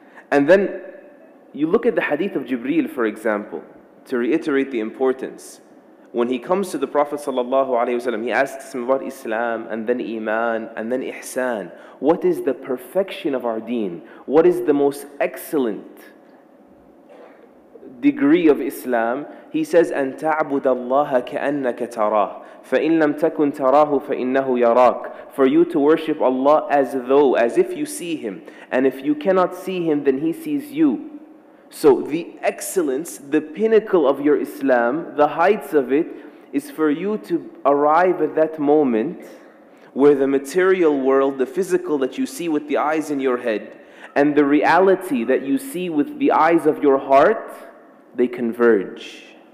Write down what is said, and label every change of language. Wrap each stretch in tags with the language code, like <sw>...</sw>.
<en>And then you look at the hadith of Jibreel, for example, to reiterate the importance. when he comes to the Prophet sallallahu alaihi wasallam, he asks him about Islam and then Iman and then Ihsan. What is the perfection of our deen? What is the most excellent degree of Islam? He says,</en> <ar>أَن تَعْبُدَ اللَّهَ كَأَنَّكَ تَرَاهُ فَإِن لَمْ تَكُنْ تَرَاهُ فَإِنَّهُ يَرَاكُ.</ar> <en>For you to worship Allah as though, as if you see Him. And if you cannot see Him, then He sees you. So the excellence, the pinnacle of your Islam, the heights of it, is for you to arrive at that moment where the material world, the physical that you see with the eyes in your head, and the reality that you see with the eyes of your heart, they converge.</en>